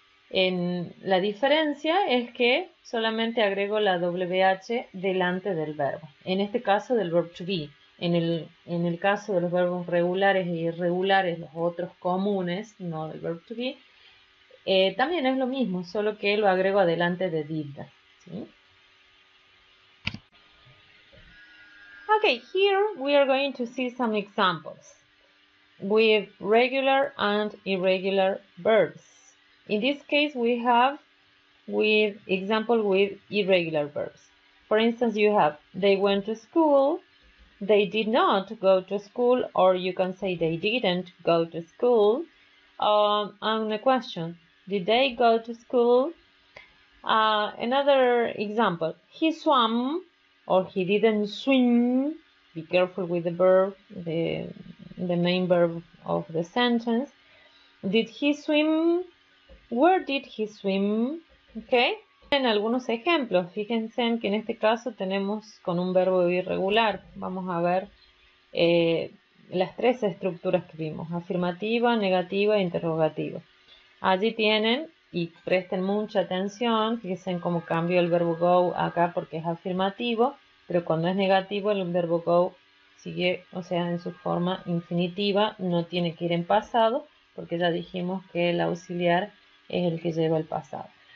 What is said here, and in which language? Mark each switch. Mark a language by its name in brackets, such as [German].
[Spanish] En la diferencia es que solamente agrego la WH delante del verbo. En este caso del verb to be. En el caso de los verbos regulares e irregulares, los otros comunes, no del verb to be, también es lo mismo, solo que lo agrego adelante de did. ¿Sí? [English] Ok, here we are going to see some examples with regular and irregular verbs. In this case, we have with example with irregular verbs. For instance, you have they went to school, they did not go to school, or you can say they didn't go to school. And a question, did they go to school? Another example, he swam or he didn't swim. Be careful with the verb, the main verb of the sentence. Did he swim? Where did he swim? Okay. [Spanish] En algunos ejemplos, fíjense en que en este caso tenemos con un verbo irregular. Vamos a ver las tres estructuras que vimos: afirmativa, negativa e interrogativa. Allí tienen, y presten mucha atención, fíjense en cómo cambio el verbo go acá porque es afirmativo, pero cuando es negativo el verbo go sigue, o sea, en su forma infinitiva, no tiene que ir en pasado, porque ya dijimos que el auxiliar es el que lleva el pasado.